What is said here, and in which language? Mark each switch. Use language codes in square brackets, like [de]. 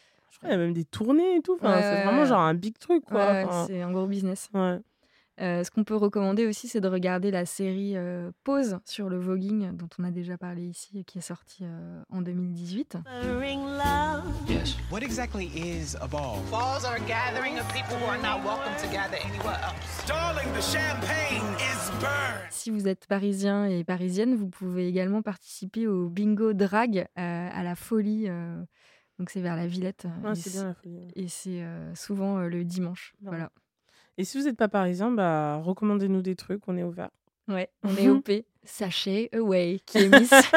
[fr] Je crois qu'il y a même des tournées et tout. Enfin, c'est vraiment genre un big truc, quoi. Ouais, c'est un gros business. Ouais. Ce qu'on peut recommander aussi, c'est de regarder la série Pause sur le voguing, dont on a déjà parlé ici, et qui est sortie en 2018. [en] Yes. What exactly is a ball? Balls are a gathering of people who are not welcome to gather anywhere else. Darling, the champagne is burned. [fr] Si vous êtes parisien et parisienne, vous pouvez également participer au bingo drag à la folie. Donc c'est vers la Villette, et c'est souvent le dimanche, voilà. Et si vous n'êtes pas parisien, recommandez-nous des trucs, on est ouvert. Ouais, on est OP, sachez away, qui est Miss.